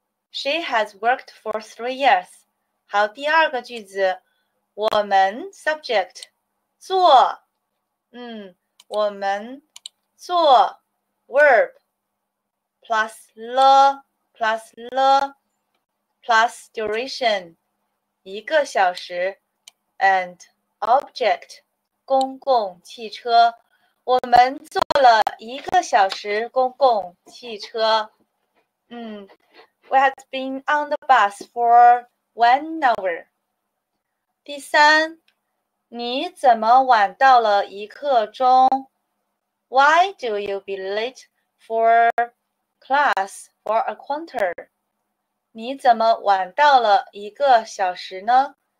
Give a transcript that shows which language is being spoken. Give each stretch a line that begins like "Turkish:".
English: She has worked for 3 years.
Chinese: 好，第二个句子，我们 subject 做，我们做
English: verb plus duration
Chinese: 一个小时
English: and object
Chinese: 公共汽车。我们坐了一个小时公共汽车。
English: We had been on the bus for 1 hour.
Chinese: 第三，你怎么晚到了一刻钟？
English: Why do you be late for class for a quarter?
Chinese: 你怎么晚到了一个小时呢？